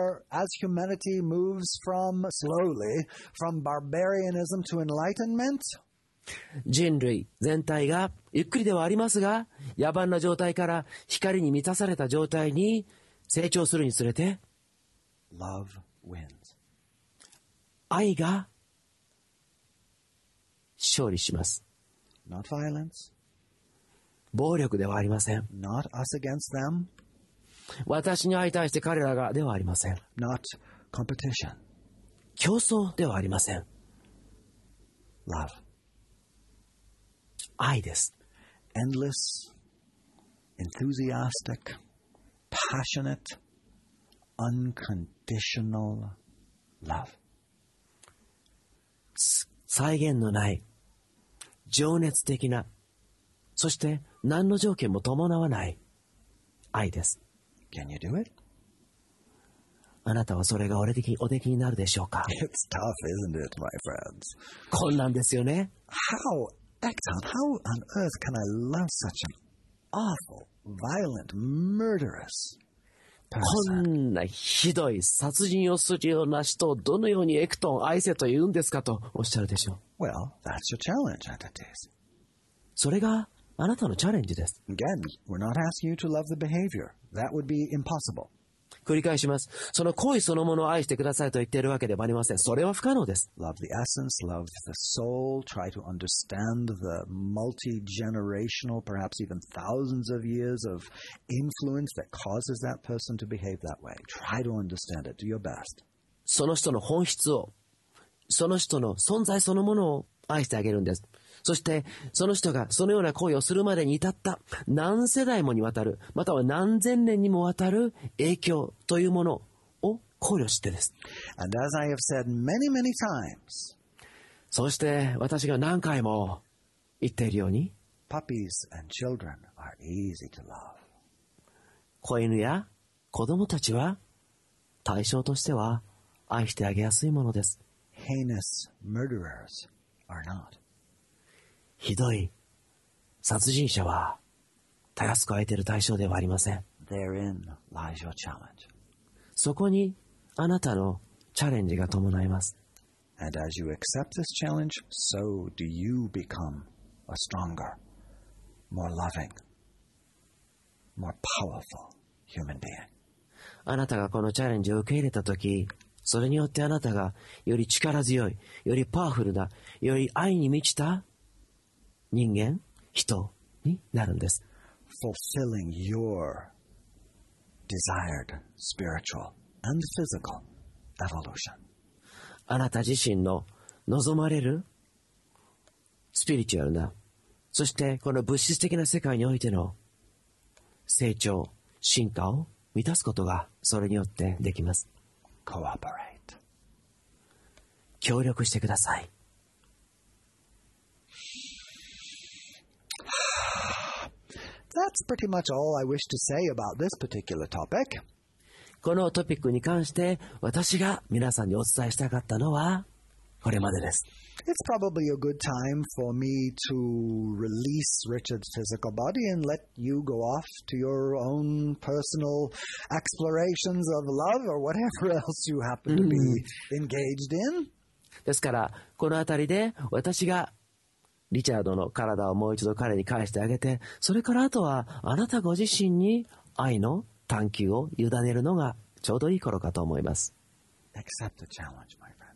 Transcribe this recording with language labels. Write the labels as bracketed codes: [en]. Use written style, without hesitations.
[en] as humanity moves from slowly from barbarianism to enlightenment, [ja] 人類全体がゆっくりではありますが野蛮な状態から光に満たされた状態に成長するにつれて [en] love wins. [ja] 愛が勝利します。 [en] not violence. [ja] 暴力ではありません。 [en] not us against them. [ja] 私に相対して彼らがではありません。 [en] Not competition. [ja] 競争ではありません。 [en] Love. [ja] 愛です。 [en] Endless, enthusiastic, passionate, unconditional love. [ja] 際限のない、情熱的な、そして何の条件も伴わない愛です。 [en] Can you do it? [ja] あなたはそれがおできになるでしょうか? [en] It's tough, isn't it, my friends? [ja] 困難ですよね? [en] How, Ekton, how on earth can I love such an awful, violent, murderous person? [ja] こんなひどい殺人をするような人をどのようにエクトン愛せと言うんですかとおっしゃるでしょう? [en] Well, that's your challenge, I think. [ja] それがあなたのチャレンジです。 [en] Again, we're not asking you to love the behavior. That would be impossible. [ja] 繰り返します。その行為そのものを愛してくださいと言っているわけではありません。それは不可能です。 [en] Love the essence, love the soul, try to understand the multi-generational, perhaps even thousands of years of influence that causes that person to behave that way. Try to understand it. Do your best. [ja] その人の本質を、その人の存在そのものを愛してあげるんです。そしてその人がそのような行為をするまでに至った何世代もにわたるまたは何千年にもわたる影響というものを考慮してです。 [en] And as I have said many, many times, [ja] そして私が何回も言っているように [en] puppies and children are easy to love. [ja] 子犬や子供たちは対象としては愛してあげやすいものです。 [en] Heinous murderers are not. [ja] ひどい殺人者はたやすく相手の対象ではありません。 [en] Therein lies your challenge. [ja] そこにあなたのチャレンジが伴います。 [en] And as you accept this challenge, so do you become a stronger, more loving, more powerful human being. [ja] あなたがこのチャレンジを受け入れたとき、それによってあなたがより力強い、よりパワフルな、より愛に満ちた人間、人になるんです。 [en] fulfilling your desired spiritual and physical evolution. [ja] あなた自身の望まれるスピリチュアルな、そしてこの物質的な世界においての成長、進化を満たすことがそれによってできます。 [en] Cooperate. [ja] 協力してください。 [en] That's pretty much all I wish to say about this particular topic. [ja] このトピックに関して私が皆さんにお伝えしたかったのはこれまでです。 [en] It's probably a good time for me to release Richard's physical body and let you go off to your own personal explorations of love or whatever else you happen to be engaged in. [ja] ですから、このあたりで私がリチャードの体をもう一度彼に返してあげて、それからあとはあなたご自身に愛の探求を委ねるのがちょうどいい頃かと思います。 [en] Accept the challenge, my friend.